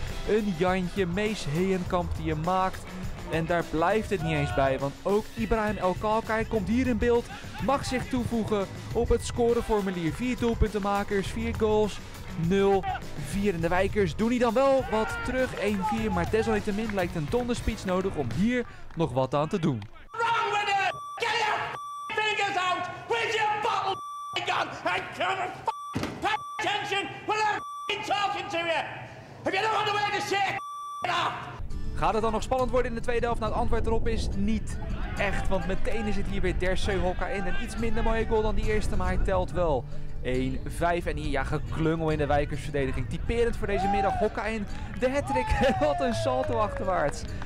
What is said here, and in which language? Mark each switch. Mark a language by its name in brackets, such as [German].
[Dutch] Een Jantje, Mees Heenkamp die je maakt. En daar blijft het niet eens bij, want ook Ibrahim El-Kalkai komt hier in beeld. Mag zich toevoegen op het scoreformulier. 4 doelpuntenmakers, 4 goals, 0-4. En de Wijkers doen hier dan wel wat terug, 1-4. Maar desalniettemin lijkt een donderspeech nodig om hier nog wat aan te doen. [English] Wrong with it! Get your fingers out with your bottle gun! And come and pay attention when I'm talking to you! If you don't want to wear the shit, off! [Dutch] Gaat het dan nog spannend worden in de tweede helft? Nou, het antwoord erop is niet echt. Want meteen is het hier weer Derceu Okaïn in. Een iets minder mooie goal dan die eerste, maar hij telt wel. 1-5 en hier, ja, geklungel in de Wijkersverdediging. Typerend voor deze middag, Okaïn. De hat-trick, wat een salto achterwaarts.